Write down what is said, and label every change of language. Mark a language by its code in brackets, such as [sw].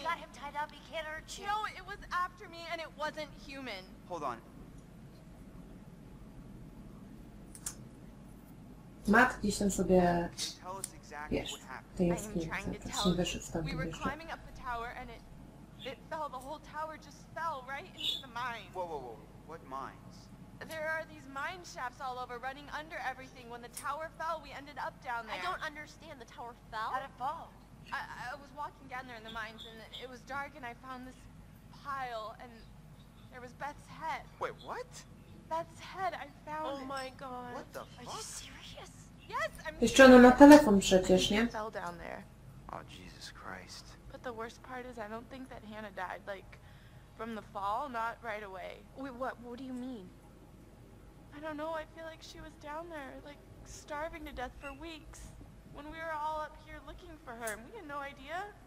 [en] We got him tied up, he can't hurt you. No, it was after me and it wasn't human. Hold on. [pl] Matt gdzieś tam sobie, wiesz, to jest kim, wyszedł tam [en] we climbing up the tower and it fell, the whole tower just fell right into the mines. Whoa, what mines? There are these mine shafts all over running under everything. When the tower fell, we ended up down there. I don't understand, the tower fell? How'd it fall? I was walking down there in the mines and it was dark and I found this pile and there was Beth's head. Wait, what? Beth's head, I found it. Oh my god. What the fuck? Are you serious? [pl] Jeszcze ona ma telefon przecież, nie? [en] Oh, Jesus Christ. But the worst part is I don't think that Hannah died, like, from the fall, not right away. Wait, what do you mean? I don't know, I feel like she was down there, like, starving to death for weeks, when we were all up here looking for her, and we had no idea.